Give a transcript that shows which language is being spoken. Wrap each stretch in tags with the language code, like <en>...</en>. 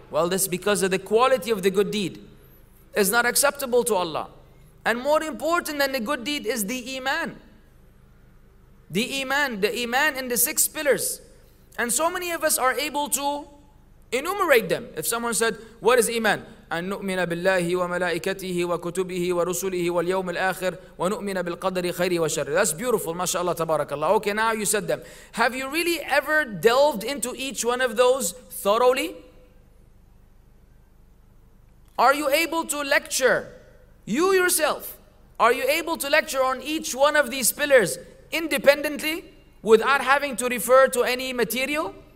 <en>Well, this is because of the quality of the good deed. It's not acceptable to Allah. And more important than the good deed is the iman. The iman in the six pillars. And so many of us are able to enumerate them. If someone said, what is iman?</en> <ar>أن نؤمن بالله وملائكته وكتبه ورسله واليوم الآخر ونؤمن بالقدر خير وشر.</ar> <en>That's beautiful. MashaAllah, tabarakAllah. Okay, now you said them. Have you really ever delved into each one of those thoroughly? Are you able to lecture you yourself? Are you able to lecture on each one of these pillars independently without having to refer to any material?</en>